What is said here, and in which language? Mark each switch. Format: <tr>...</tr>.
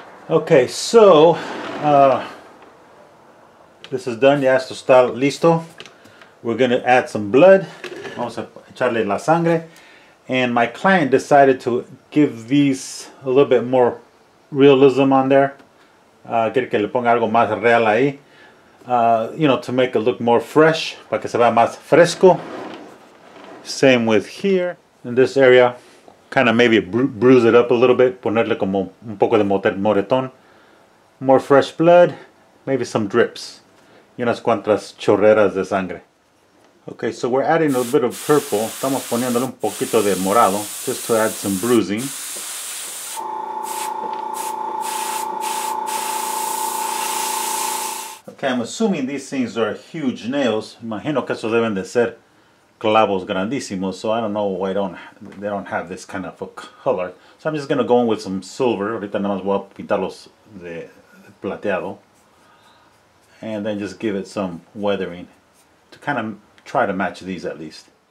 <en>Okay, so... this is done.</en> <es>Ya esto está listo.</es> <en>We're going to add some blood.</en> <es>Vamos a echarle la sangre.</es> <en>And my client decided to give these a little bit more realism on there.</en> <es>Quiere que le ponga algo más real ahí.</es> <en>You know, to make it look more fresh.</en> <es>Para que se vea más fresco.</es> <en>Same with here. In this area. Kind of maybe bruise it up a little bit.</en> <es>Ponerle como un poco de moretón.</es> <en>More fresh blood. Maybe some drips.</en> <es>Y unas cuantas chorreras de sangre.</es> <en>Okay, so we're adding a little bit of purple.</en> <es>Estamos poniéndole un poquito de morado.</es> <en>Just to add some bruising. Okay, I'm assuming these things are huge nails.</en> <es>Imagino que esos deben de ser clavos grandísimos.</es> <en>So I don't know why they don't have this kind of a color. So I'm just going to go in with some silver.</en> <es>Ahorita nada más voy a pintarlos de plateado.</es> <en>And then just give it some weathering to kind of try to match these at least.</en>